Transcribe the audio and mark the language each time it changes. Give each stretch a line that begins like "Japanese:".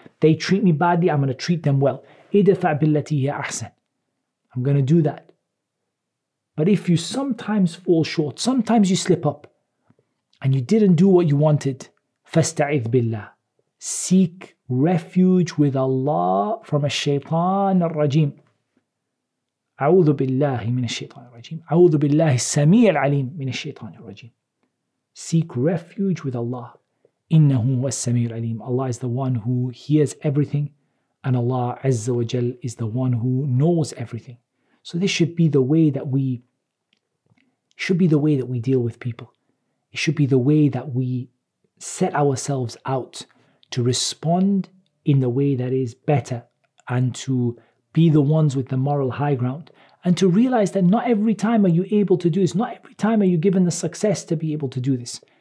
English: They treat me badly, I'm going to treat them well.
Arabic: اِدْفَعْ بِالَّتِي هِيَ أَحْسَنُ,
English: I'm going to do that. But if you sometimes fall short, sometimes you slip up, and you didn't do what you wanted,
Arabic: فَاسْتَعِذْ بِاللَّهِ,
English: seek refuge with Allah from a shaytan al-rajim.
Arabic: أعوذ بالله من الشيطان الرجيم. أعوذ بالله السميع العليم من الشيطان الرجيم.
English: Seek refuge with Allah.
Arabic: إنه هو السميع العليم.
English: Allah is the one who hears everything, and Allah
Arabic: عز وجل
English: is the one who knows everything. So this should be the way that we deal with people. It should be the way that we set ourselves out to respond in the way that is better, and to be the ones with the moral high ground, and to realize that not every time are you able to do this, not every time are you given the success to be able to do this.